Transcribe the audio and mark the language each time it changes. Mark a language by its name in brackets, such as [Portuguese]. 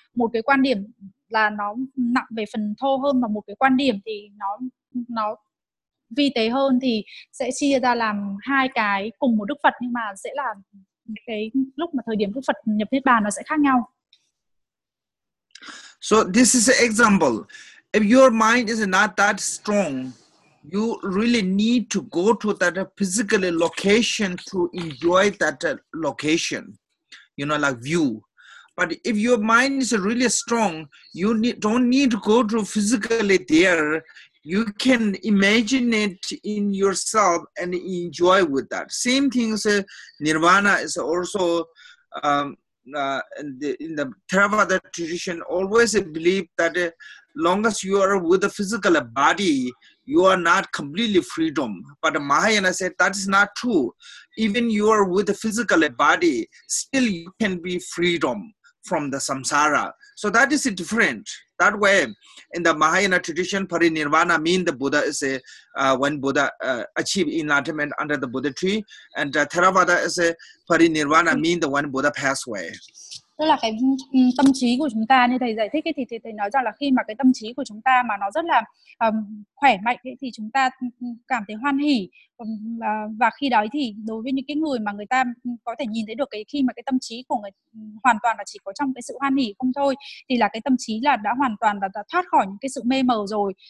[Vietnamese] Một cái quan điểm là nó nặng về phần thô hơn, và một cái quan điểm thì nó vi tế hơn, thì sẽ chia ra làm hai cái cùng một Đức Phật, nhưng mà sẽ là cái lúc mà thời điểm Đức Phật nhập Niết Bàn nó sẽ khác nhau. [English] So this is an example. If your mind is not that strong, you really need to go to that physical location to enjoy that location, you know, like view. But if your mind is really strong, you don't need to go to physically there. You can imagine it in yourself and enjoy with that. Same thing as Nirvana is also in the Theravada tradition, always believe that long as you are with a physical body, you are not completely freedom. But Mahayana said that is not true. Even you are with a physical body, still you can be freedom from the samsara. So that is different. That way, in the Mahayana tradition, parinirvana means the Buddha is when Buddha achieve enlightenment under the Buddha tree, and Theravada is parinirvana means the when Buddha pass away. [Vietnamese] Tức là cái tâm trí của chúng ta, như thầy giải thích ấy, thì thầy nói rằng là khi mà cái tâm trí của chúng ta mà nó rất là khỏe mạnh ấy, thì chúng ta cảm thấy hoan hỉ. Và khi đó thì đối với những cái người mà người ta có thể nhìn thấy được cái khi mà cái tâm trí của người hoàn toàn là chỉ có trong cái sự hoan hỉ không thôi, thì là cái tâm trí là đã hoàn toàn là đã thoát khỏi những cái sự mê mờ rồi.